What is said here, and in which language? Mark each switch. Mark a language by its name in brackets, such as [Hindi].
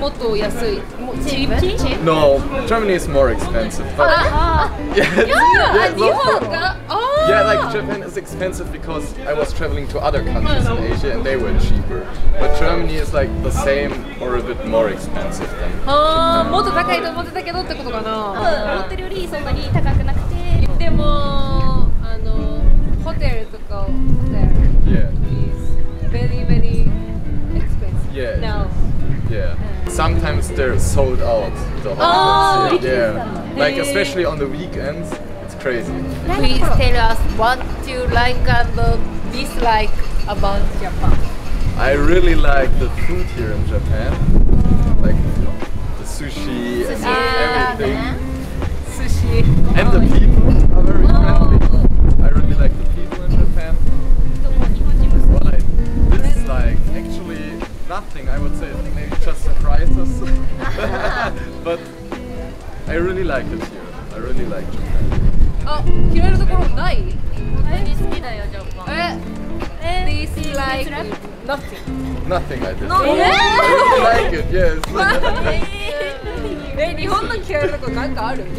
[Japanese] もっと安い。 [English] Cheap? No, Germany is more expensive. But yeah, like Japan is expensive because I was traveling to other countries in Asia and they were cheaper. But Germany is like the same or a bit more expensive than. [Japanese] ああ、もっと高いと思ってたけどってことかな。思ってるよりそんなに高くなくて。でも。 [English] Hotel [Japanese] とか [English] there is very very expensive. Yeah. Now. Yeah. Sometimes they're sold out. The hotels. yeah. Like especially on the weekends, it's crazy. Please tell us what you like and dislike about Japan. I really like the food here in Japan, like the sushi and everything. Sushi. And the people are very friendly. I really like the people in Japan. What I dislike, actually nothing, I would say maybe just surprises. But I really like it here. I really like Japan. [Japanese] Ah, 嫌いなところない？本当に好きだよ、ジャパン。 [English] Dislike nothing. Nothing I dislike. I really like it, yes. [Japanese] 日本の嫌いなところなんかある？